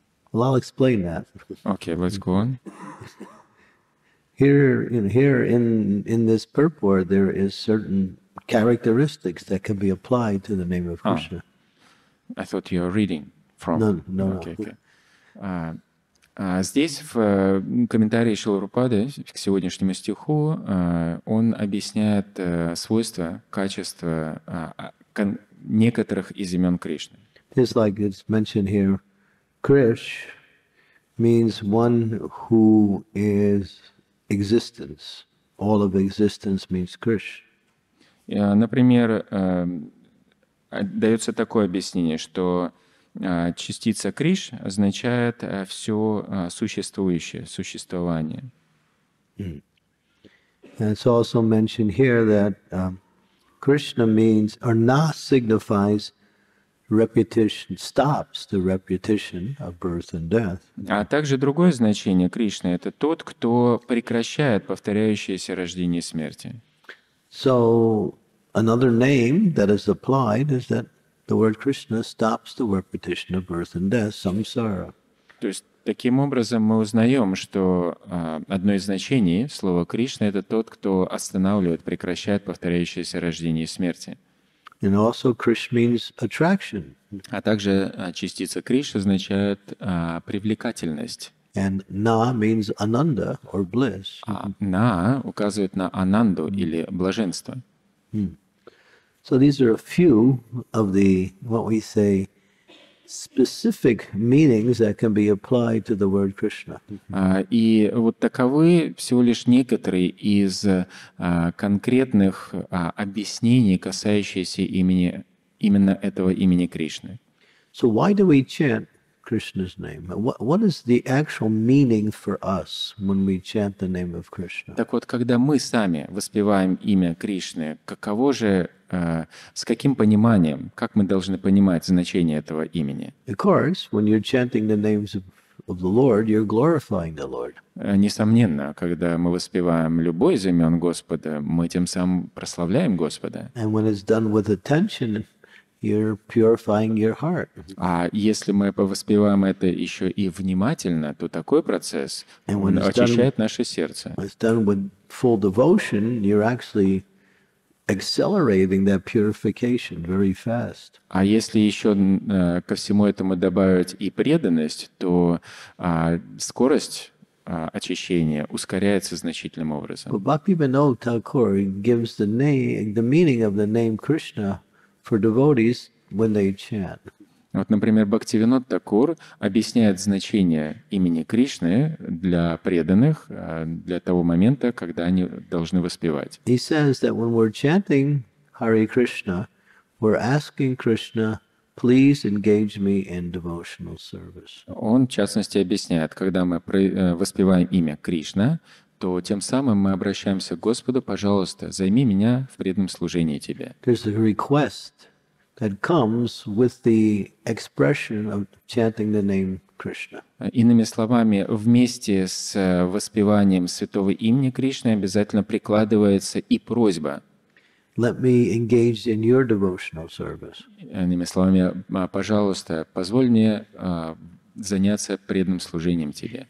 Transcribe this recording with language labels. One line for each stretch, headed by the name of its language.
English: Well, I'll explain that. Okay, let's go on. Here in this purport, there is certain characteristics that can be applied to the name of Krishna. I thought you were reading from. No. Okay.
Russian: Здесь в комментарии Шрилы Прабхупады к сегодняшнему стиху он объясняет свойства, качества. Некоторых из имен Кришны.
English: It's like it's mentioned here, Krish means one who is existence. All of existence means Krish.
Russian: Например, дается такое объяснение, что частица Криш означает все существующее, существование.
English: And it's also mentioned here that Krishna means, or na signifies repetition, stops the repetition of birth and death.
Russian: А также другое значение Кришны – это тот, кто прекращает повторяющееся рождение и смерти.
English: So, another name that is applied is that the word Krishna stops the repetition of birth and death, samsara.
Russian: То есть, таким образом мы узнаем, что одно из значений слова Кришна – это тот, кто останавливает, прекращает повторяющееся рождение и смерти.
English: And also Krishna means attraction.
Russian: А также частица Кришна означает привлекательность.
English: And na means ananda or bliss.
Russian: А на указывает на ананду или блаженство.
English: So these are a few of the, what we say, specific meanings that can be applied to the word Krishna.
Russian: И вот таковы всего лишь некоторые из конкретных объяснений, касающиеся имени именно этого имени Кришны.
English: So why do we chant Krishna's name? What is the actual meaning for us when we chant the name of Krishna?
Russian: Так вот, когда мы сами воспеваем имя Кришны, каково же с каким пониманием, как мы должны понимать значение этого имени?
English: Of course, when you're chanting the names of the Lord, you're glorifying the Lord.
Russian: Несомненно, когда мы воспеваем любой из имен Господа, мы тем самым прославляем Господа.
English: And when it's done with attention, you're purifying your heart.
Russian: А если мы повоспеваем это еще и внимательно, то такой процесс очищает наше сердце.
English: When it's done with full devotion, you're actually accelerating that purification very fast.
Russian: А если еще ко всему этому добавить и преданность, то скорость очищения ускоряется значительным образом.
English: But Bhaktivinoda Thakur gives the meaning of the name Krishna for devotees when they chant.
Russian: Вот, например, Бхактивинод Такур объясняет значение имени Кришны для преданных для того момента, когда они должны воспевать.
English: He says that when we're chanting Hare Krishna, we're asking Krishna, please engage me in devotional service.
Russian: Он, в частности, объясняет, когда мы воспеваем имя Кришна, то тем самым мы обращаемся к Господу, пожалуйста, займи меня в преданном служении тебе.
English: There's a request that comes with the expression of chanting the name Krishna.
Russian: Иными словами, вместе с воспеванием святого имени Кришны обязательно прикладывается и просьба.
English: Let me engage in your devotional service.
Russian: Иными словами, пожалуйста, позволь мне заняться преданным служением тебе.